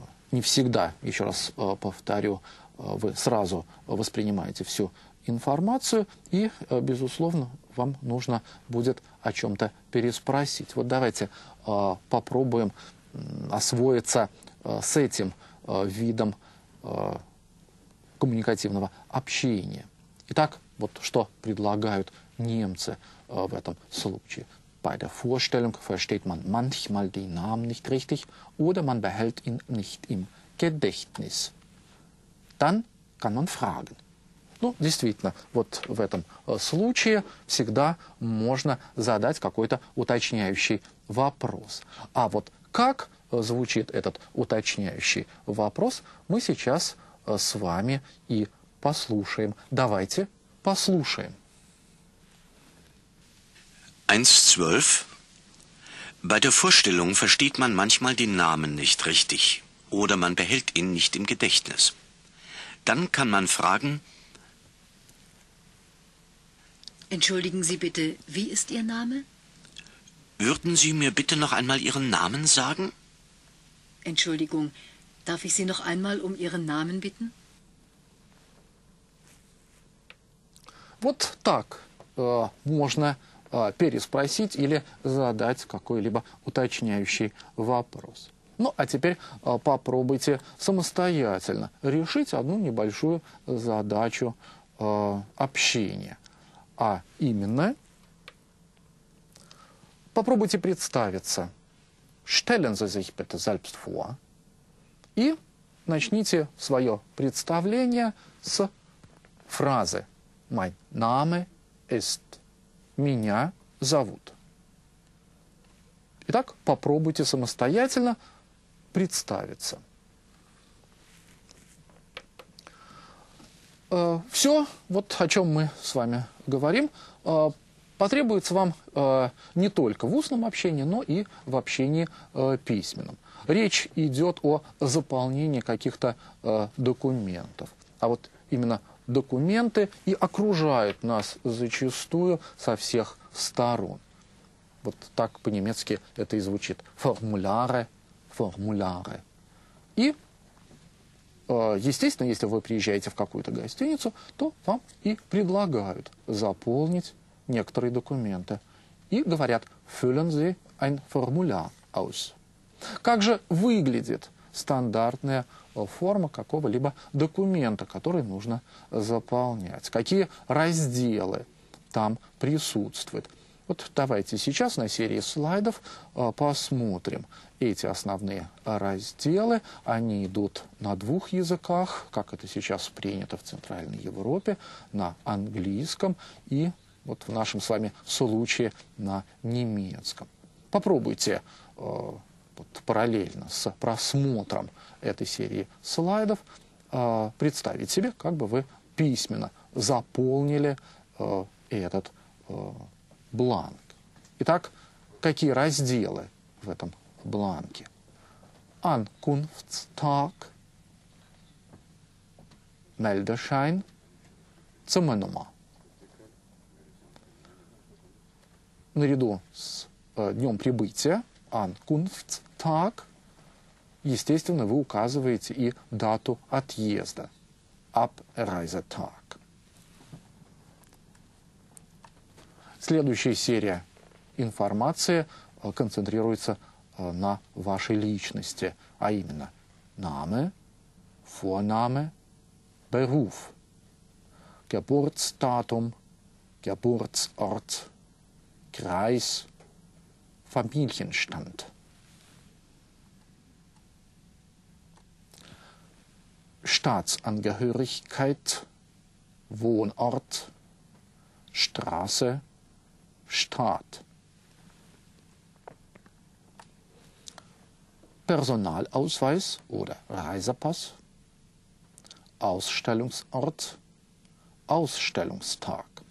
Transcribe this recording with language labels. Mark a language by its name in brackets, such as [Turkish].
[Russian] Не всегда, еще раз повторю, вы сразу воспринимаете всю информацию, и, безусловно, вам нужно будет о чем-то переспросить. Вот давайте попробуем освоиться с этим видом коммуникативного общения. Итак, вот что предлагают немцы в этом случае. [German] Bei der Vorstellung versteht man manchmal den Namen nicht richtig oder man behält ihn nicht im Gedächtnis. Dann kann man fragen. [Russian] Ну, действительно, вот в этом случае всегда можно задать какой-то уточняющий вопрос. А вот как звучит этот уточняющий вопрос, мы сейчас с вами и послушаем. Давайте послушаем. 1.12. [German] Bei der Vorstellung versteht man manchmal den Namen nicht richtig oder man behält ihn nicht im Gedächtnis. Dann kann man fragen... Entschuldigen Sie bitte, wie ist Ihr Name? Würden Sie mir bitte noch einmal Ihren Namen sagen? Entschuldigung, darf ich Sie noch einmal um Ihren Namen bitten? [Russian] Вот так можно переспросить или задать какой-либо уточняющий вопрос. Ну, а теперь попробуйте самостоятельно решить одну небольшую задачу общения. А именно, попробуйте представиться. [German] Stellen Sie sich bitte selbst vor. [Russian] И начните свое представление с фразы. [German] Mein Name ist. [Russian] Меня зовут. Итак, попробуйте самостоятельно представиться. Все, вот о чем мы с вами говорим, потребуется вам не только в устном общении, но и в общении письменном. Речь идет о заполнении каких-то документов. А вот именно документы и окружают нас зачастую со всех сторон. Вот так по-немецки это и звучит. Формуляры, формуляры. И, естественно, если вы приезжаете в какую-то гостиницу, то вам и предлагают заполнить некоторые документы. И говорят, [German] füllen Sie ein Formular aus. [Russian] Как же выглядит стандартная форма какого-либо документа, который нужно заполнять? Какие разделы там присутствуют? Вот давайте сейчас на серии слайдов посмотрим эти основные разделы. Они идут на двух языках, как это сейчас принято в Центральной Европе, на английском и вот в нашем с вами случае на немецком. Попробуйте вот, параллельно с просмотром этой серии слайдов представить себе, как бы вы письменно заполнили этот бланк. Итак, какие разделы в этом бланке? [German] Ankunftstag, Meldeschein, Zimmernummer. [Russian] Наряду с днем прибытия, Ankunftstag, естественно, вы указываете и дату отъезда, Abreisetag. Следующая серия информации концентрируется на вашей личности, а именно Name, Vorname, Beruf, Geburtsdatum, Geburtsort, Kreis, Familienstand. [German] Staatsangehörigkeit, Wohnort, Straße, Staat. Personalausweis oder Reisepass, Ausstellungsort, Ausstellungstag.